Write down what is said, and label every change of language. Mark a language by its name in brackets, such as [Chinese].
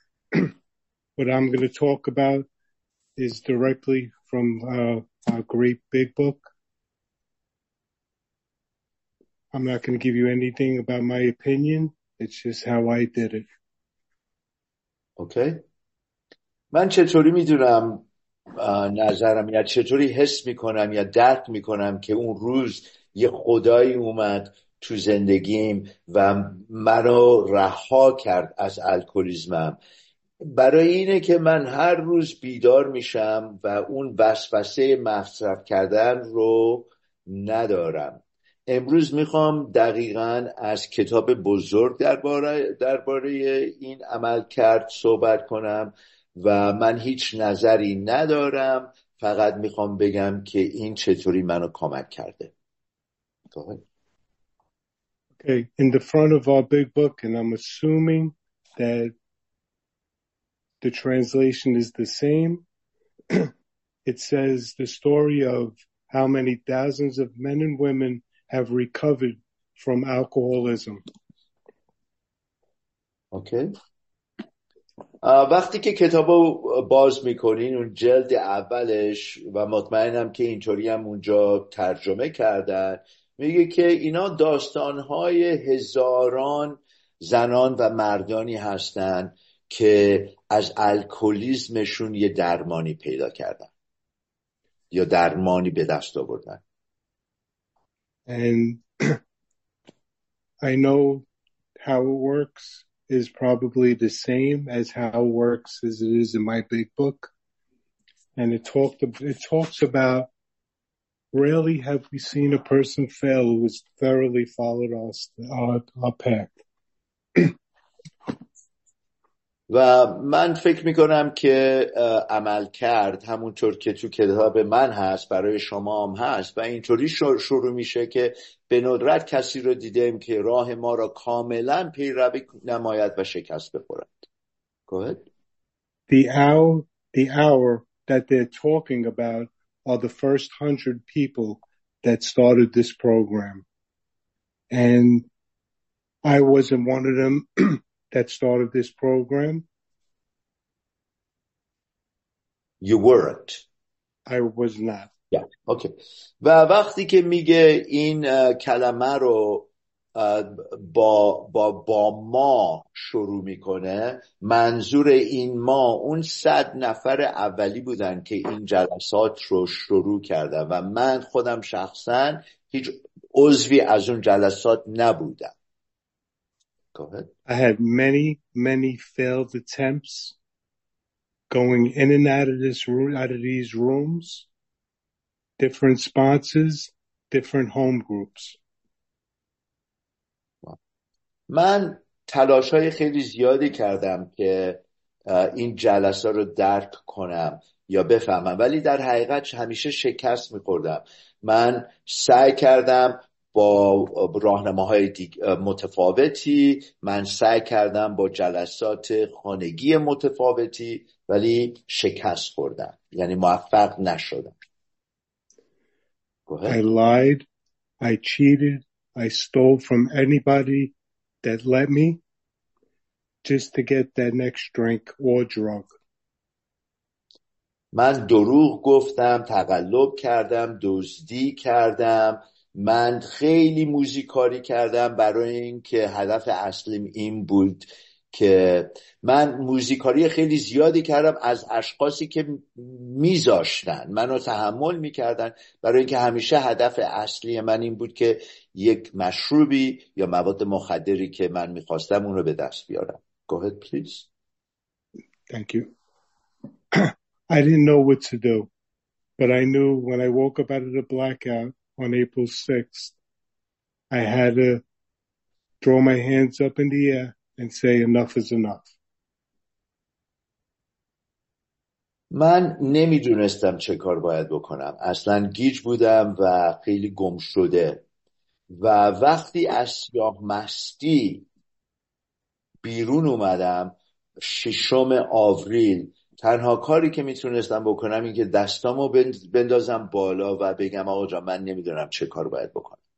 [English] What I'm going to talk about is directly from a great big book. I'm not going to give you anything about my opinion. It's just how I did it. Okay. [Persian] من چطوری میدونم نظرم یا چطوری حس میکنم یا درک میکنم که اون روز یه خدایی اومد تو زندگیم و منو رها کرد از الکلیزمم؟ برای اینه که من هر روز بیدار میشم و اون وسوسه مصرف کردن رو ندارم. امروز میخوام دقیقا از کتاب بزرگ درباره این عمل کرد صحبت کنم و من هیچ نظری ندارم، فقط میخوام بگم که این چطوری منو کمک کرده. [English] Okay, in the front of our big book, and I'm assuming that the translation is the same, it says the story of how many thousands of men and women have recovered from alcoholism. Okay. [Persian] وقتی که کتابو باز میکنین اون جلد اولش و مطمئنم که اینطوری هم اونجا ترجمه کردن، میگه که اینا داستانهای هزاران زنان و مردانی هستند که از الکلیزمشون یه درمانی پیدا کردن یا درمانی به دست آوردن. [English] And I know how it works is probably the same as how it works as it is in my big book. And it talks about rarely have we seen a person fail who has thoroughly followed our path. [Persian] و من فکر میکنم که عمل کرد همونطور که تو کتاب من هست برای شما هم هست و اینطوری شروع میشه که به ندرت کسی رو دیدم که راه ما را کاملا پیروی نماید و شکست بخورد. [English] Go ahead. The hour that they're talking about are the first 100 people that started this program. And I wasn't one of them that started this program. You weren't. I was not. Yeah. Okay. [Persian] و وقتی که میگه این کلمه رو با ما شروع میکنه، منظور این ما اون 100 نفر اولی بودن که این جلسات رو شروع کردن و من خودم شخصا هیچ عضوی از اون جلسات نبودم. [English] Go ahead. I had many, many failed attempts going in and out of this room, out of these rooms. Different sponsors, different home groups. [Persian] من تلاش‌های خیلی زیادی کردم که این جلسه رو درک کنم یا بفهمم، ولی در حقیقت همیشه شکست می‌خوردم. من سعی کردم با راهنماهای متفاوتی، من سعی کردم با جلسات خانگی متفاوتی، ولی شکست خوردم، یعنی موفق نشدم. [English] I lied, I cheated, I stole from anybody that let me just to get that next drink or drug. [Persian] من دروغ گفتم، تقلب کردم، دزدی کردم، من خیلی موزیکاری کردم برای اینکه هدف اصلیم این بود که من موزیکاری خیلی زیادی کردم از اشخاصی که میذاشتن منو تحمل میکردن، برای اینکه همیشه هدف اصلی من این بود که یک مشروبی یا مواد مخدری که من میخواستم اونو به دست بیارم. [English] Go ahead, please. Thank you. I didn't know what to do, but I knew when I woke up out of the blackout on April 6th, I had to throw my hands up in the air and say enough is enough. [Persian] من نمیدونستم چه کار باید بکنم. اصلا گیج بودم و خیلی گم شده. و وقتی از سیاه مستی بیرون اومدم، ششم آوریل، تنها کاری که میتونستم بکنم این که دستامو بندازم بالا و بگم آقا جان من نمیدونم چه کار باید بکنم.